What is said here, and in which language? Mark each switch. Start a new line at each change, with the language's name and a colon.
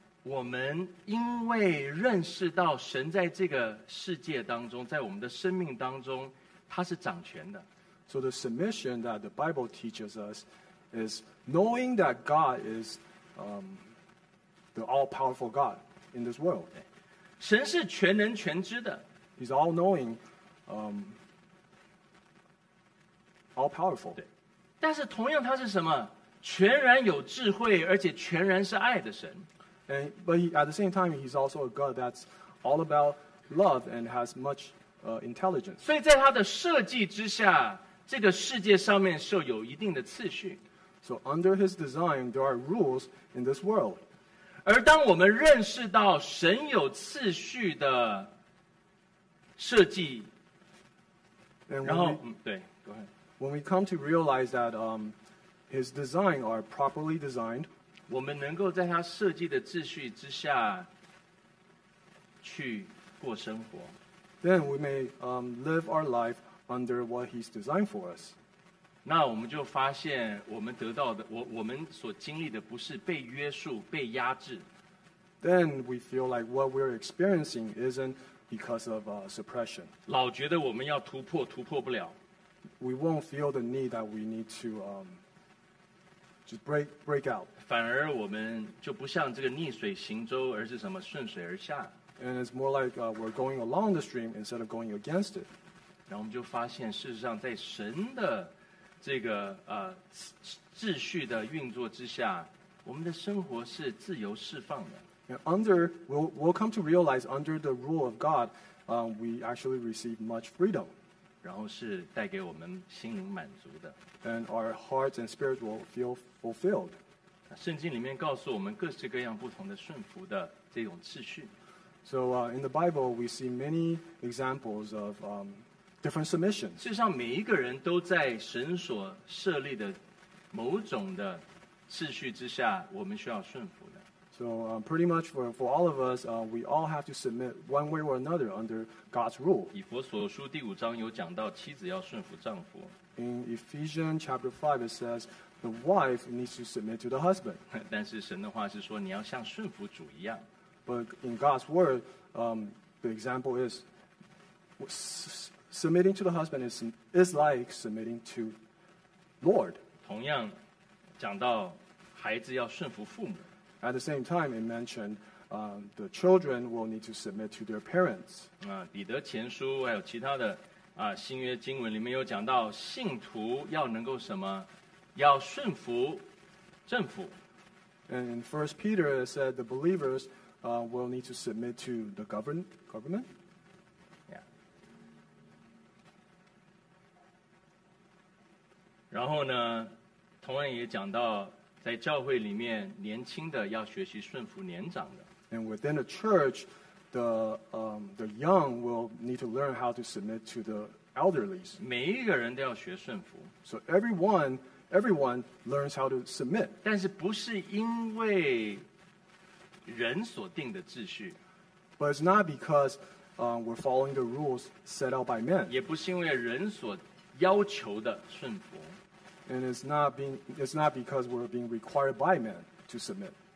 Chinese: 我们因为认识到神在这个世界当中，在我们的生命当中，他是掌权的。
English: So the submission that the Bible teaches us is knowing that God is the all-powerful God in this world.
Chinese: 神是全能全知的。
English: He's all knowing, all powerful.
Chinese: 对，但是同样他是什么？全然有智慧，而且全然是爱的神。
English: And but he, at the same time, he's also a God that's all about love and has much intelligence.
Chinese: 所以在他的设计之下，这个世界上面是有一定的次序。
English: So under his design, there are rules in this world.
Chinese: 而当我们认识到神有次序的设计，
English: and
Chinese: 然后
English: we,
Chinese: 对
English: ，Go ahead. When we come to realize that his design are properly designed,
Chinese: 我们能够在他设计的秩序之下去过生活。
English: Then we may live our life under what he's designed for us.
Chinese: 那我们就发现我们得到的 我们所经历的不是被约束被压制。
English: Then we feel like what we're experiencing isn't because of suppression.
Chinese: 老觉得我们要突破突破不了。
English: We won't feel the need that we need to just break out.
Chinese: 反而我们就不像这个逆水行舟而是什么顺水而下。
English: And it's more like we're going along the stream instead of going against it.
Chinese: 然后我们就发现，事实上，在神的这个秩序的运作之下，我们的生活是自由释放的。
English: And under we'll come to realize under the rule of God, we actually receive much freedom.
Chinese: 然后是带给我们心灵满足的。
English: And our hearts and spirits will feel fulfilled.
Chinese: 圣经里面告诉我们各式各样不同的顺服的这种秩序。
English: So in the Bible, we see many examples of different submissions.
Chinese: 事实上，每一个人都在神所设立的某种的秩序之下，我们需要顺服的。
English: So pretty much for all of us, we all have to submit one way or another under God's rule.
Chinese: 以弗所书第五章有讲到妻子要顺服丈夫。
English: In Ephesians chapter 5, it says the wife needs to submit to the husband.
Chinese: 但是神的话是说你要像顺服主一样。
English: But in God's word, the example is submitting to the husband is like submitting to Lord.
Chinese: 同样讲到孩子要顺服父母。
English: At the same time, it mentioned the children will need to submit to their parents.
Chinese: 彼得前书还有其他的新约经文里面有讲到信徒要能够什么，要顺服政府。
English: And in 1 Peter, it said the believers will need to submit to the government. Yeah.
Chinese: 然后呢，同样也讲到，在教会里面，年轻的要学习顺服年长的。
English: And within the church, the young will need to learn how to submit to the elderly.
Chinese: 每一个人都要学顺服。
English: So everyone learns how to submit.
Chinese: 但是不是因为人所定的秩序，
English: but it's not because we're following the rules set out by men.
Chinese: 也不是因为人所要求的顺服，
English: and it's not because we're being required by men to submit.